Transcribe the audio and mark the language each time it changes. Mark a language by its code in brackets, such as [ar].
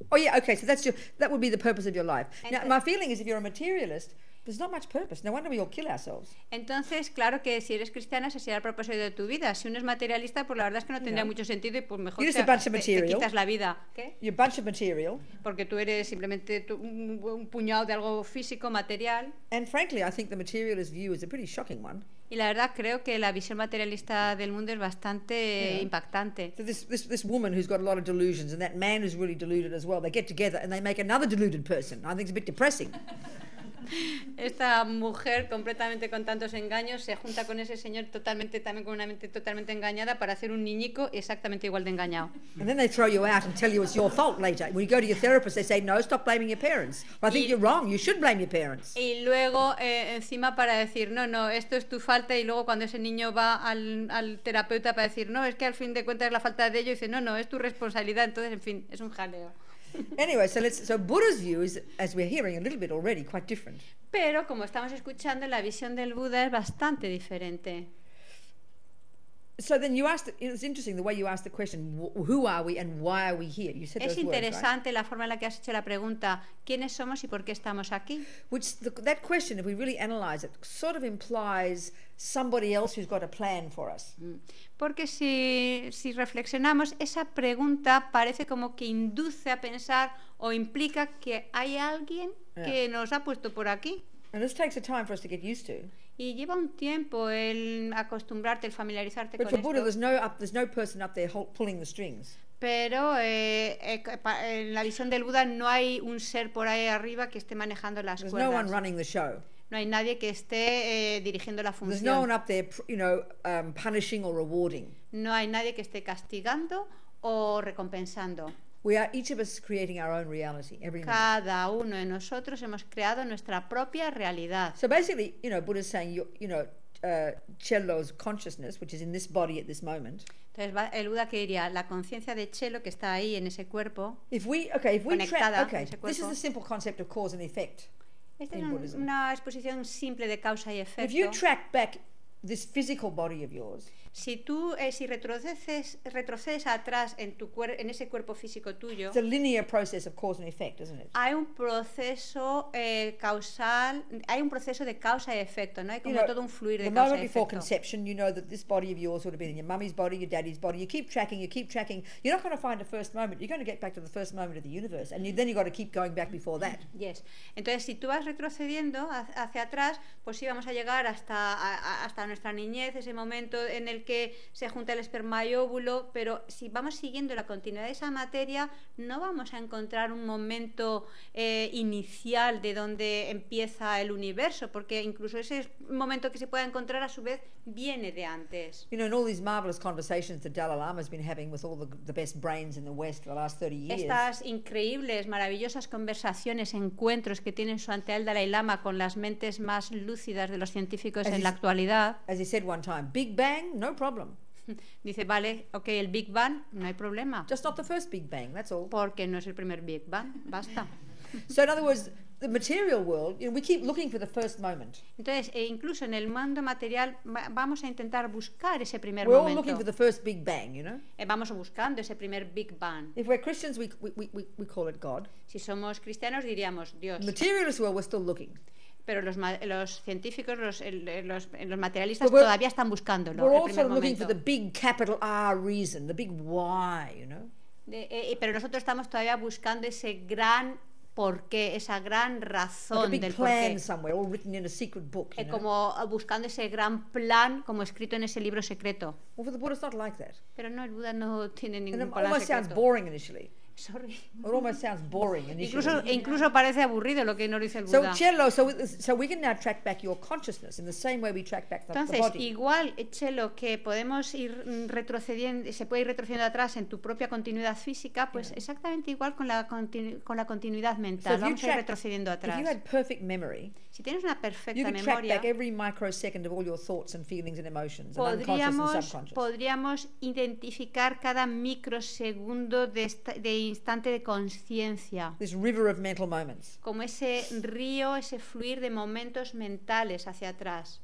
[en] Oh yeah, okay, so that would be the purpose of your life. Now, my feeling is if you're a materialist, there's not much purpose. No wonder we all kill ourselves. [es] Entonces, claro que si eres cristiana, ese sería el propósito de tu vida. Si uno es materialista, pues la verdad es que no tendría mucho sentido y pues mejor te quitas la vida. ¿Qué? [en] You're a bunch of material. [es] Porque tú eres simplemente un puñado de algo físico, material. [en] And frankly, I think the materialist view is a pretty shocking one. [es] Y la verdad creo que la visión materialista del mundo es bastante impactante. [en] So this woman who's got a lot of delusions and that man who's really deluded as well, they get together and they make another deluded person. I think it's a bit depressing. [es] esta mujer completamente con tantos engaños se junta con ese señor totalmente, también con una mente totalmente engañada, para hacer un niñico exactamente igual de engañado. [en] And then they throw you out and tell you it's your fault later. When you go to your therapist, they say, no, stop blaming your parents. Well, I think you're wrong. You should blame your parents. [es] Y luego encima para decir, no, no, esto es tu falta. Y luego cuando ese niño va al terapeuta para decir, no, es que al fin de cuentas es la falta de ello, dice, no, no, es tu responsabilidad. Entonces, en fin, es un jaleo. [en] Anyway, so Buddha's view is, as we're hearing a little bit already, quite different. [es] Pero como estamos escuchando, la visión del Buda es bastante diferente. [en] So then you asked, it's interesting the way you asked the question, who are we and why are we here? You said [es] es interesante [en] words, right? [es] La forma en la que has hecho la pregunta, ¿quiénes somos y por qué estamos aquí? [en] Which that question, if we really analyze it, sort of implies somebody else who's got a plan for us. [es] Porque si reflexionamos, esa pregunta parece como que induce a pensar o implica que hay alguien que nos ha puesto por aquí. [en] And this takes a time for us to get used to. [es] Y lleva un tiempo el acostumbrarte, el familiarizarte con esto. [en] But for Buddha, there's no person up there pulling the strings. [es] Pero en la visión del Buda no hay un ser por ahí arriba que esté manejando las [en] there's [es] cuerdas. [en] No one running the show. [es] No hay nadie que esté dirigiendo la función. [en] There's no one up there, you know, punishing or rewarding. [es] No hay nadie que esté castigando o recompensando. [en] We are each of us creating our own reality every minute. [es] Cada uno de nosotros hemos creado nuestra propia realidad. [en] So basically, you know, Buddha's saying Chelo's consciousness, which is in this body at this moment. [es] Entonces, el Buda que diría la conciencia de Chelo que está ahí en ese cuerpo. [en] If we this is the simple concept of cause and effect. [es] Esta es una exposición simple de causa y efecto. [en] If you track back this physical body of yours. [es] Si tú si retrocedes atrás en tu en ese cuerpo físico tuyo. [en] It's a linear process of cause and effect, isn't it? [es] Hay un proceso causal, hay un proceso de causa y efecto, ¿no? Hay como todo un fluir de causa y efecto. [en] The moment before conception, you know that this body of yours would have been in your mummy's body, your daddy's body. You keep tracking. You're not going to find a first moment. You're going to get back to the first moment of the universe, and then you got to keep going back before that. Yes. [es] Entonces, si tú vas retrocediendo hacia atrás, pues sí vamos a llegar hasta nuestra niñez, ese momento en el que se junta el esperma y óvulo, pero si vamos siguiendo la continuidad de esa materia, no vamos a encontrar un momento inicial de donde empieza el universo, porque incluso ese momento que se pueda encontrar a su vez viene de antes. [en] You know, in all these marvelous conversations that Dalai Lama has been having with all the best brains in the West for the last 30 years. [es] Estas increíbles, maravillosas conversaciones, encuentros que tienen su ante el Dalai Lama con las mentes más lúcidas de los científicos en la actualidad. [en] As he said one time, Big Bang. No problem. [es] Dice, vale, okay, el Big Bang, no hay problema. [en] Just not the first Big Bang, that's all. [es] Porque no es el primer Big Bang, basta. [en] So in other words, the material world, you know, we keep looking for the first moment. [es] Entonces, incluso en el mundo material, vamos a intentar buscar ese primer momento. [en] We're all looking for the first Big Bang, you know. [es] Vamos buscando ese primer Big Bang. [en] If we're Christians, we call it God. [es] Si somos cristianos, diríamos Dios. [en] Materialist world, we're still looking. [es] Pero los científicos, los materialistas todavía están buscándolo. [en] We're also [es] el primer [en] looking [es] momento. [en] For the big capital R reason, the big why, you know. [es] Pero nosotros estamos todavía buscando ese gran porqué, esa gran razón [en] like [es] del porqué. [en] Like a big plan somewhere, all written in a secret book. [es] Como buscando ese gran plan, como escrito en ese libro secreto. [en] Well, for the Buddha, it's not like that. [es] Pero no, el Buda no tiene ningún [en] and [es] plan secreto. [en] It almost sounds boring initially. Sorry. It almost sounds boring initially. [es] Incluso parece aburrido lo que nos dice el Buda. [en] So Chelo, so we can now track back your consciousness in the same way we track back the [es] entonces, [en] body. [es] Igual Chelo que podemos ir retrocediendo, se puede ir retrocediendo atrás en tu propia continuidad física, pues yeah. Exactamente igual con la continuidad mental. [en] So [es] vamos a ir retrocediendo atrás. [en] If you had perfect memory, [es] si tienes una perfecta [en] you could [es] memoria, [en] track back every microsecond of all your thoughts and feelings and emotions, [es] podríamos identificar cada microsegundo de instante de conciencia. [en] This river of mental moments. [es] Como ese río, ese fluir de momentos mentales hacia atrás.